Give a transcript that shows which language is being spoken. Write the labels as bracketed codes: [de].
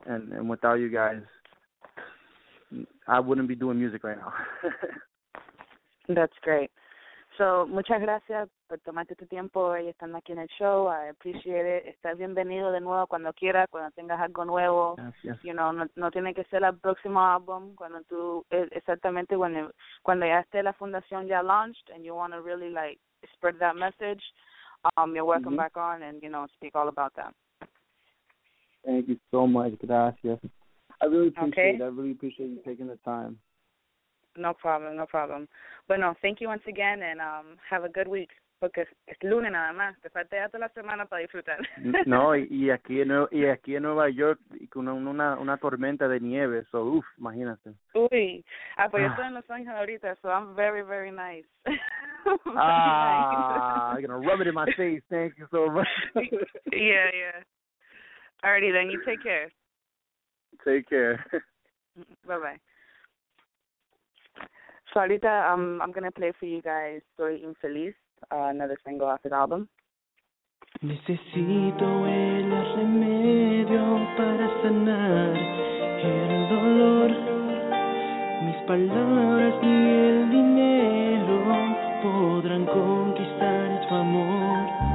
[en] And without you guys, I wouldn't be doing music right now. That's great. [es] So, muchas gracias por tomarte tu tiempo y estando aquí en el show. [en] I appreciate it. [es] Estás bienvenido de nuevo cuando quieras, cuando tengas algo nuevo. Gracias. [en] You know, [es] no tiene que ser el próximo álbum. Cuando tú, exactamente, cuando ya esté la fundación ya [en] launched and you want to really, like, spread that message, you're welcome back on and, you know, speak all about that. Thank you so much. [es] Gracias. [en] I really appreciate you taking the time. No problem. Bueno, thank you once again, and have a good week. [es] Porque es lunes nada más, te falta ya toda la semana para disfrutar. No, y aquí en Nueva York, con una tormenta de nieve, so, uff, imagínate. Uy, ah, pues yo estoy en Los Ángeles ahorita, [en] so I'm very, very nice. I'm gonna rub it in my face, thank you so much. Yeah, yeah. Alrighty then, you take care. Take care. Bye-bye. So ahorita I'm gonna play for you guys Soy Infeliz, another single off his album. [es] Necesito el remedio para sanar el dolor. Mis palabras y el dinero podrán conquistar tu amor.